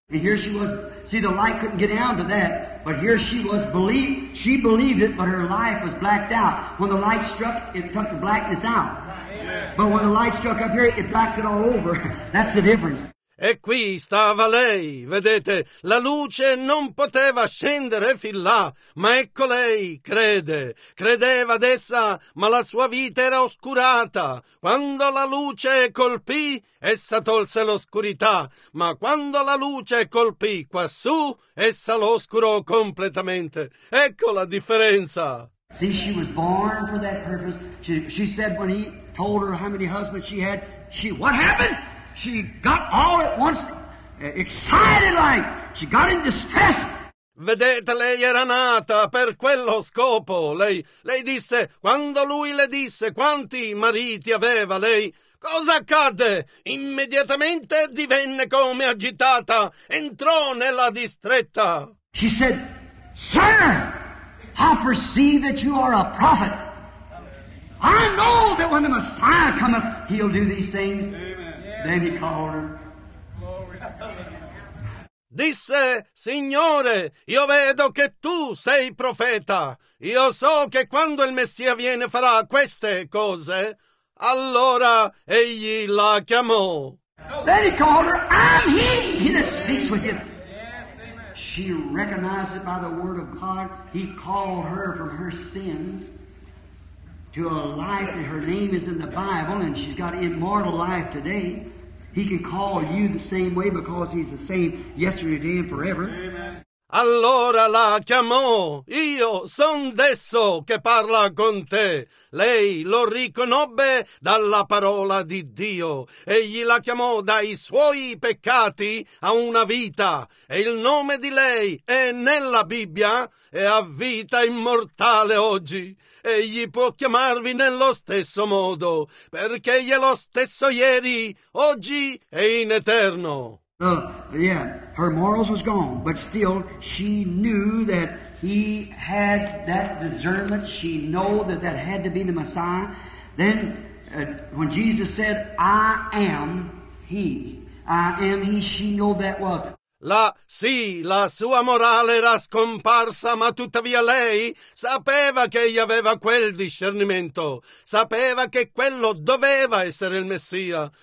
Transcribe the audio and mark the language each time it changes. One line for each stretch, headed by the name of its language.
English: And here she was, see, the light couldn't get down to that, but here she was, she believed it, but her life was blacked out. When the light struck, it took the blackness out. But when the light struck up here, it blacked it all over. That's the difference.
Italian: E qui stava lei, vedete, la luce non poteva scendere fin là, ma ecco lei, credeva ad essa, ma la sua vita era oscurata. Quando la luce colpì, essa tolse l'oscurità, ma quando la luce colpì quassù, essa lo oscurò completamente. Ecco la differenza.
English: See, she was born for that purpose. She said when he told her how many husbands she had, what happened? She got all at once excited like. She got in distress.
Italian: Vedete, lei era nata per quello scopo. Lei disse, quando lui le disse quanti mariti aveva, lei, cosa accadde? Immediatamente divenne come agitata. Entrò nella distretta.
English: She said, "Sir, I perceive that you are a prophet. I know that when the Messiah cometh, he'll do these things." Then he called her.
Italian: Disse, Signore, io vedo che tu sei profeta. Io so che quando il Messia viene farà queste cose. Allora egli la chiamò.
English: Then he called her. I'm he that speaks with you. Yes, amen. She recognized it by the word of God. He called her from her sins to a life that her name is in the Bible, and she's got immortal life today. He can call you the same way because he's the same yesterday, today, and forever. Amen.
Italian: Allora la chiamò. Io son desso che parla con te. Lei lo riconobbe dalla parola di Dio. Egli la chiamò dai suoi peccati a una vita. E il nome di lei è nella Bibbia e ha vita immortale oggi. Egli può chiamarvi nello stesso modo, perché egli è lo stesso ieri, oggi e in eterno.
English: Her morals was gone, but still she knew that he had that discernment. She knew that that had to be the Messiah. Then when Jesus said, I am he, she knew that was.
Italian: La sua morale era scomparsa, ma tuttavia lei sapeva che egli aveva quel discernimento, sapeva che quello doveva essere il Messia.